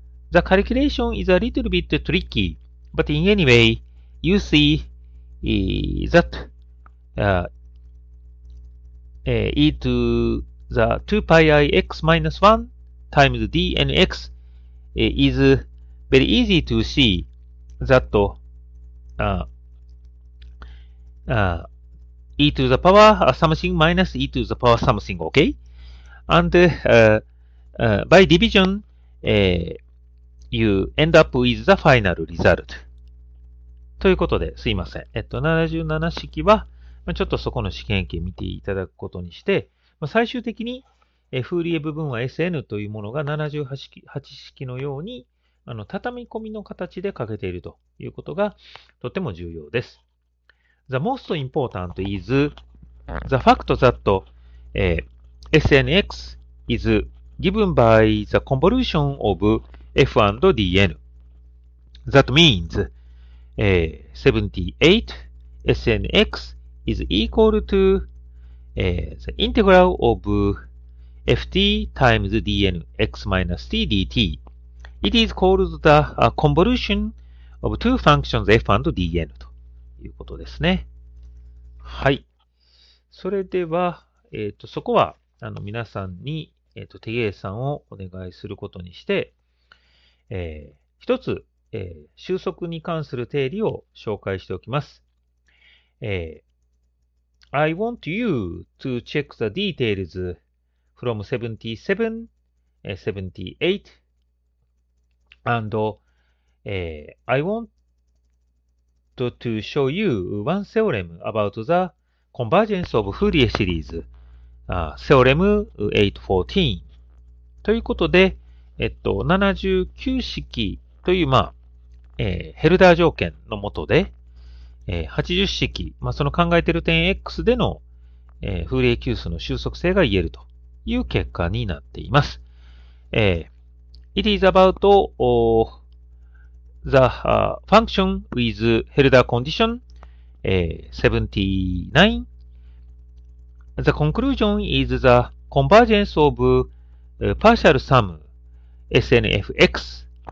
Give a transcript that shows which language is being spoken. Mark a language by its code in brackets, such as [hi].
[en] The calculation is a little bit tricky, but in any way, you see that e to the 2pi i x minus 1 times dnx is very easy to see that e to the power something minus e to the power something, okay? And by division, you end up with the final result. [ja] ということで、すいません。77式は、ちょっとそこの試験形見ていただくことにして、最終的に、フーリエ部分は SN というものが78式のように、畳み込みの形で書けているということが、とても重要です。 [en] The most important is the fact that SNX is given by the convolution of F and DN. That means 78SNX is equal to the integral of FT times DN x minus T dt. It is called the convolution of two functions F and DN [ja] ということですね。はい。それでは、そこは、皆さんに、手計算をお願いすることにして、一つ、収束に関する定理を紹介しておきます。 [en] I want you to check the details from 77, 78, and I want to show you one theorem about the convergence of Fourier series, theorem 814. [ja] ということで、79式という、ヘルダー条件のもとで、80式、その考えている点 X での、フーリエ級数の収束性が言えるという結果になっています。 [en] It is about the function with Hilder condition 79. The conclusion is the convergence of partial sum SNFX.